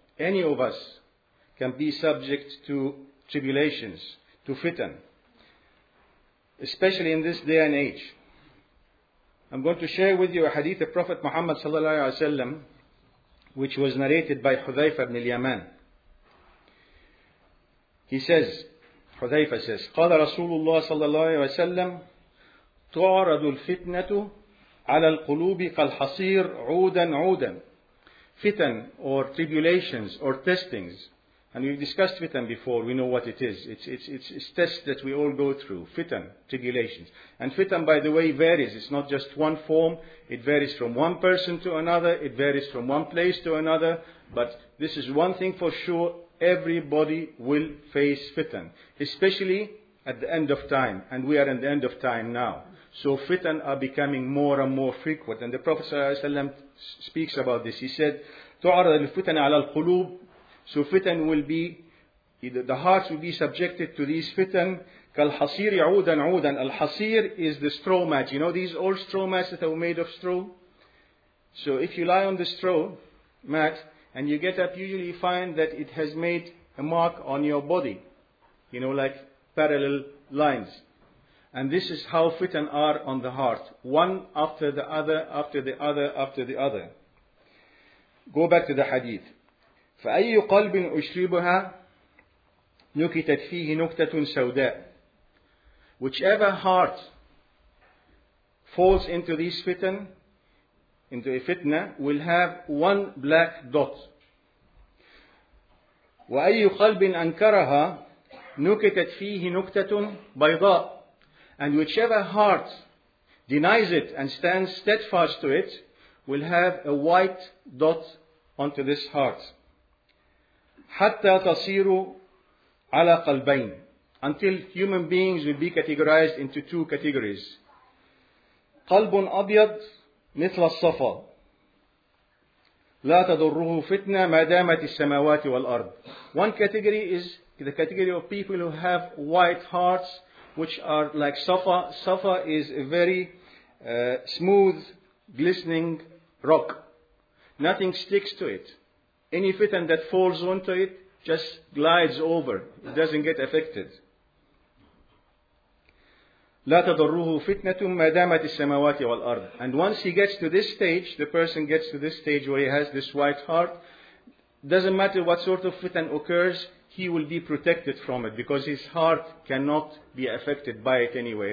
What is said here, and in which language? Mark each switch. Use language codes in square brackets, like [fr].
[en] Any of us can be subject to tribulations, to fitan, especially in this day and age. I'm going to share with you a hadith of Prophet Muhammad sallallahu alaihi wasallam, which was narrated by Hudhayfa ibn al-Yaman. He says, Hudhayfa says, [ar] قال رسول الله صلى الله عليه وسلم تعرض الفتنة على القلوب كالحصير عودا عودا. [en] Fitan or tribulations or testings. And we've discussed fitan before, we know what it is. It's tests that we all go through. Fitan, tribulations. And fitan, by the way, varies. It's not just one form. It varies from one person to another. It varies from one place to another. But this is one thing for sure. Everybody will face fitan. Especially at the end of time. And we are in the end of time now. So fitan are becoming more and more frequent. And the Prophet ﷺ speaks about this. He said, [ar] تعرض الفتن على القلوب. [en] So fitan will be, the hearts will be subjected to these fitan. [ar] كالحصير عودا عودا. [en] الحصير is the straw mat. You know these old straw mats that are made of straw? So if you lie on the straw mat and you get up, usually you find that it has made a mark on your body. You know, like parallel lines. And this is how fitan are on the heart. One after the other, after the other, after the other. Go back to the hadith. [ar] فأي قلب أشربها نكتت فيه نكتة سوداء. [en] Whichever heart falls into this fitan, into a fitna, will have one black dot. [ar] وأي قلب أنكرها نكتت فيه نكتة بيضاء. [en] And whichever heart denies it and stands steadfast to it will have a white dot onto this heart. [ar] حتى تصير على قلبين. [en] Until human beings will be categorized into two categories. [ar] قلب أبيض مثل الصفا لا تضره فتنة ما دامت السماوات والأرض. [en] One category is the category of people who have white hearts, which are like Safa. Safa is a very smooth, glistening rock. Nothing sticks to it. Any fitan that falls onto it just glides over. It doesn't get affected. [ar] لا تضره فتنة ما دامت السماوات والأرض. [en] And once he gets to this stage, the person gets to this stage where he has this white heart, doesn't matter what sort of fitan occurs, he will be protected from it because his heart cannot be affected by it anyway.